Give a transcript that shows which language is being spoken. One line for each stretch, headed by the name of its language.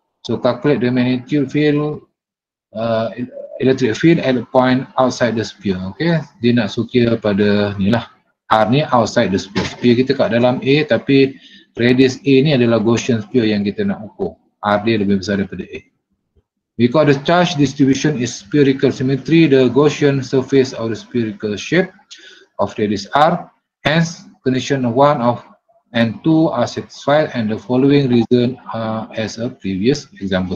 English: So calculate the magnitude field, electric field at a point outside the sphere.
Malay: Okay, dia nak sukir pada ni lah, R ni
English: outside the sphere.
Malay: Sphere kita kat dalam A, tapi radius A ni adalah Gaussian sphere yang kita nak ukur. R dia lebih besar daripada A.
English: Because the charge distribution is spherical symmetry, the Gaussian surface of the spherical shape of radius R, hence condition 1 of and 2 are satisfied and the following reason are as a previous example.